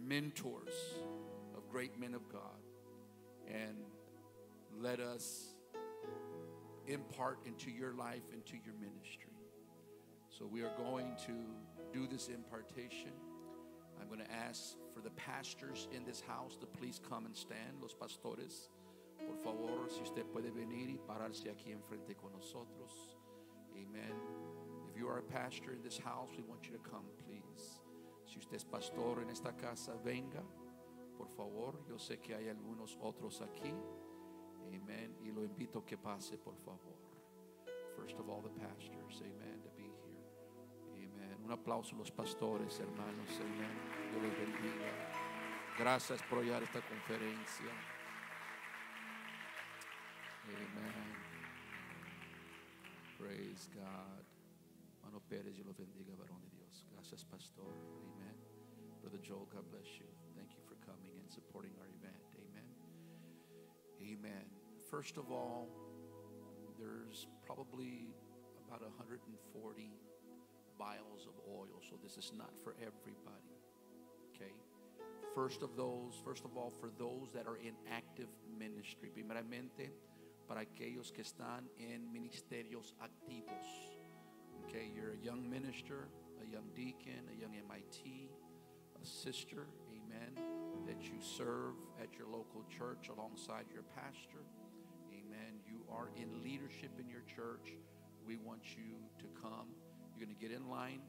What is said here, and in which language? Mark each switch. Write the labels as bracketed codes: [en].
[en] Mentors of great men of God. And let us impart into your life, into your ministry. So we are going to do this impartation. I'm going to ask for the pastors in this house to please come and stand. [es] Los pastores, por favor, si usted puede venir y pararse aquí enfrente con nosotros. [en] Amen. If you are a pastor in this house, we want you to come, please. [es] Si usted es pastor en esta casa, venga, por favor. Yo sé que hay algunos otros aquí. Amen. Y lo invito que pase, por favor. [en] First of all, the pastors, amen, to be here. [es] Amen. Un aplauso a los pastores, hermanos, amen. Dios los bendiga. Gracias por llegar a esta conferencia. Amen. [en] Praise God. [es] Mano Perez, Dios los bendiga, varón de Dios. Gracias, pastor. [en] Amen. Brother Joel, God bless you. Thank you for coming and supporting our event. Amen. Amen. First of all, there's probably about 140 vials of oil, so this is not for everybody. Okay? First of all, for those that are in active ministry. [es] Primeramente, para aquellos que están en ministerios activos. [en] Okay, you're a young minister, a young deacon, a young MIT, a sister, amen, that you serve at your local church alongside your pastor, amen. You are in leadership in your church. We want you to come. You're going to get in line.